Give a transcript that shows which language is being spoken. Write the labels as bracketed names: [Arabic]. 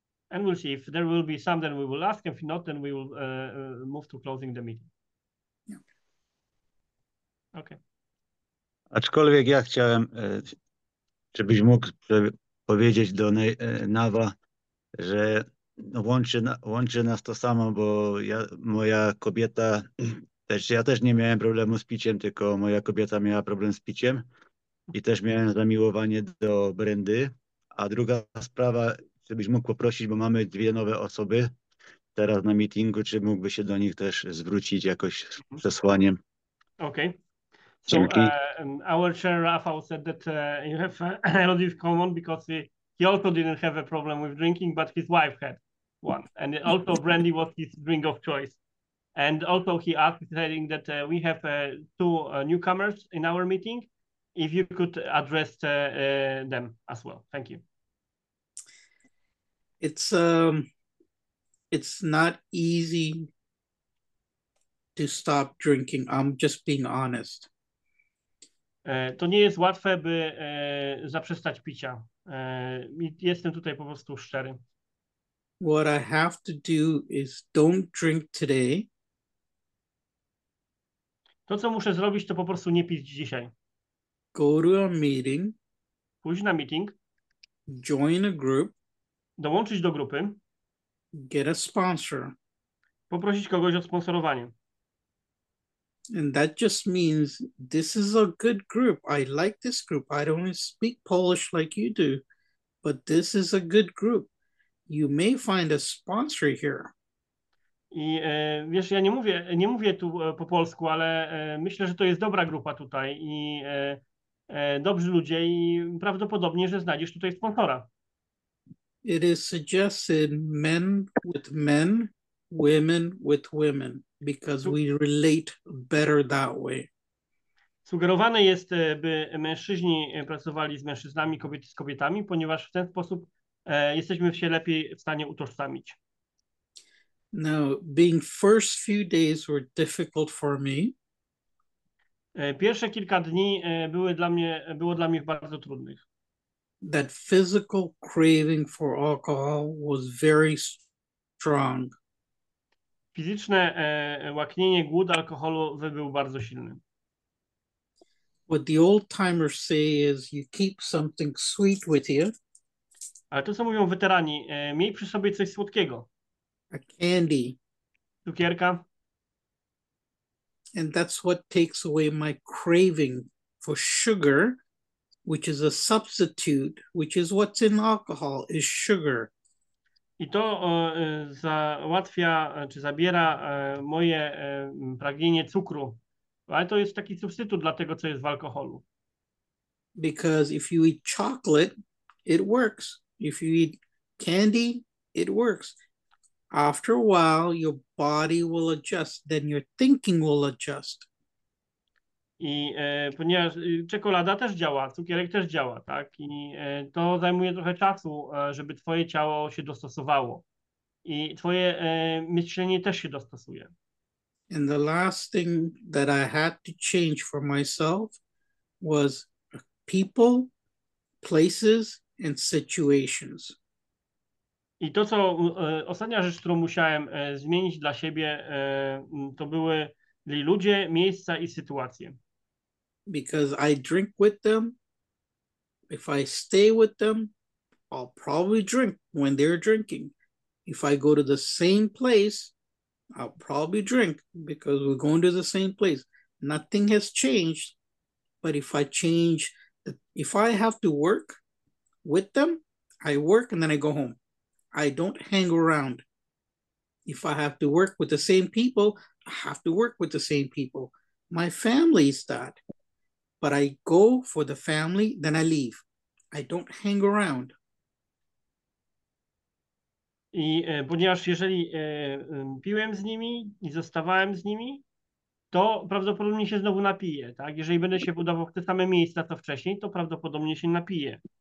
[English] And we'll see if there will be some, then we will ask. If not, then we will move to closing the meeting. Okay. [Polish] Aczkolwiek ja chciałem, żebyś mógł powiedzieć do Neiva, że łączy nas to samo, bo ja, moja kobieta Też, ja też nie miałem problemu z piciem, tylko moja kobieta miała problem z piciem i też miałem zamiłowanie do Brendy. A druga sprawa, czy byś mógł poprosić, bo mamy dwie nowe osoby teraz na meetingu, czy mógłby się do nich też zwrócić jakoś z przesłaniem? [English] Okay. So our chair Rafał said that you have a lot in common because he also didn't have a problem with drinking, but his wife had one. And also brandy was his drink of choice. And also he asked saying that we have two newcomers in our meeting. If you could address them as well. Thank you. It's not easy to stop drinking. I'm just being honest. [Polish] To nie jest łatwe, by zaprzestać picia. Jestem tutaj po prostu szczery. [English] What I have to do is don't drink today. [Polish] To, co muszę zrobić, to po prostu nie pić dzisiaj. [English] Go to a meeting. [Polish] Pójść na meeting. [English] Join a group. [Polish] Dołączyć do grupy. [English] Get a sponsor. [Polish] Poprosić kogoś o sponsorowanie. [English] And that just means this is a good group. I like this group. I don't speak Polish like you do, but this is a good group. You may find a sponsor here. [Polish] I wiesz, ja nie mówię tu po polsku, ale myślę, że to jest dobra grupa tutaj i dobrzy ludzie i prawdopodobnie, że znajdziesz tutaj sponsora. [English] It is suggested men, women with women, because we relate better that way. [Polish] Sugerowane jest, by mężczyźni pracowali z mężczyznami, kobiety z kobietami, ponieważ w ten sposób jesteśmy się lepiej w stanie utożsamić. [English] Now, being first few days were difficult for me. [Polish] Pierwsze kilka dni było dla mnie bardzo trudnych. [English] That physical craving for alcohol was very strong. [Polish] Fizyczne łaknienie, głód alkoholu był bardzo silny. [English] What the old timers say is you keep something sweet with you. [Polish] Ale to, co mówią weterani, miej przy sobie coś słodkiego. [English] A candy. [Polish] Cukierka. [English] And that's what takes away my craving for sugar, which is a substitute, which is what's in alcohol, is sugar. [Polish] I to załatwia, czy zabiera moje pragnienie cukru. Ale to jest taki substytut dla tego, co jest w alkoholu. [English] Because if you eat chocolate, it works. If you eat candy, it works. After a while, your body will adjust, then your thinking will adjust. [Polish] I ponieważ czekolada też działa, cukierek też działa, tak? I to zajmuje trochę czasu, żeby twoje ciało się dostosowało. I twoje myślenie też się dostosuje. [English] And the last thing that I had to change for myself was people, places, and situations. [Polish] I to, co ostatnia rzecz, którą musiałem zmienić dla siebie, to były ludzie, miejsca i sytuacje. [English] Because I drink with them. If I stay with them, I'll probably drink when they're drinking. If I go to the same place, I'll probably drink because we're going to the same place. Nothing has changed. But if I change, if I have to work with them, I work and then I go home. I don't hang around. If I have to work with the same people, I have to work with the same people. My family is that. But I go for the family, then I leave. I don't hang around. [Polish] I ponieważ jeżeli piłem z nimi i zostawałem z nimi, to prawdopodobnie się znowu napiję, tak? Jeżeli będę się budował w te same miejsca, co wcześniej, to prawdopodobnie się napiję.